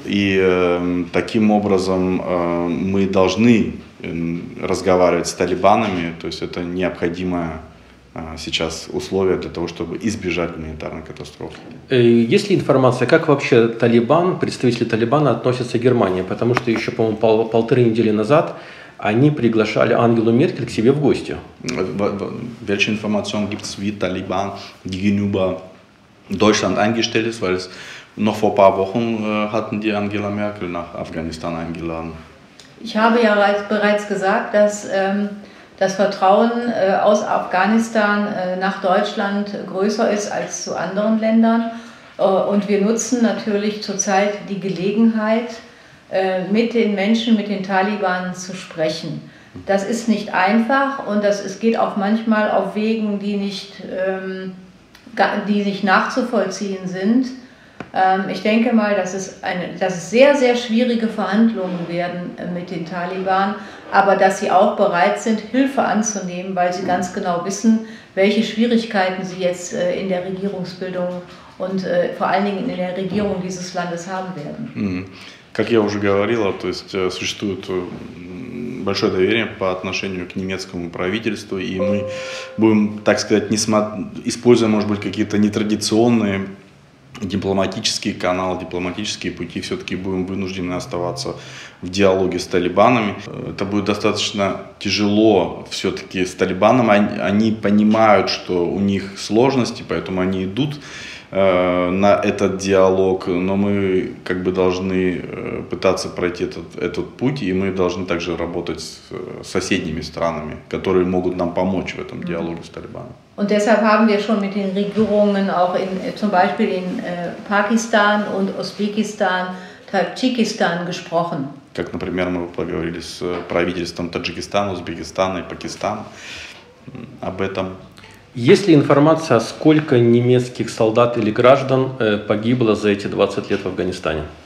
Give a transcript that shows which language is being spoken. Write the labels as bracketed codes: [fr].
[ru] И таким образом мы должны разговаривать с талибанами, то есть это необходимое сейчас условие для того, чтобы избежать гуманитарной катастрофы. Есть ли информация, как вообще талибан, представители талибана относятся к Германии? Потому что еще, по-моему, полторы недели назад они приглашали Ангелу Меркель к себе в гости. [de] Welche Informationen gibt es, wie Taliban gegenüber Deutschland eingestellt ist, weil es noch vor ein paar Wochen hatten die Angela Merkel nach Afghanistan eingeladen. Ich habe ja bereits gesagt, dass das Vertrauen aus Afghanistan nach Deutschland größer ist als zu anderen Ländern. Und wir nutzen natürlich zurzeit die Gelegenheit, mit den Menschen, mit den Taliban zu sprechen. Das ist nicht einfach und es geht auch manchmal auf Wegen, die nicht nachzuvollziehen sind. Ich denke mal, dass es sehr, sehr schwierige Verhandlungen werden mit den Taliban, aber dass sie auch bereit sind, Hilfe anzunehmen, weil sie ganz genau wissen, welche Schwierigkeiten sie jetzt in der Regierungsbildung und vor allen Dingen in der Regierung dieses Landes haben werden. [ru] Как я уже говорила, то есть существует большое доверие по отношению к немецкому правительству, и мы будем, так сказать, используя, может быть, какие-то нетрадиционные дипломатический канал, дипломатические пути, все-таки будем вынуждены оставаться в диалоге с талибанами. Это будет достаточно тяжело все-таки с талибанами. Они понимают, что у них сложности, поэтому они идут на этот диалог, но мы как бы должны пытаться пройти этот путь, и мы должны также работать с соседними странами, которые могут нам помочь в этом диалоге с Талибаном. [de] Und deshalb haben wir schon mit den Regierungen auch in zum Beispiel in Pakistan und Usbekistan, Tadschikistan gesprochen. [ru] Как, например, мы поговорили с правительством Таджикистана, Узбекистана и Пакистана об этом. Есть ли информация, сколько немецких солдат или граждан погибло за эти 20 лет в Афганистане?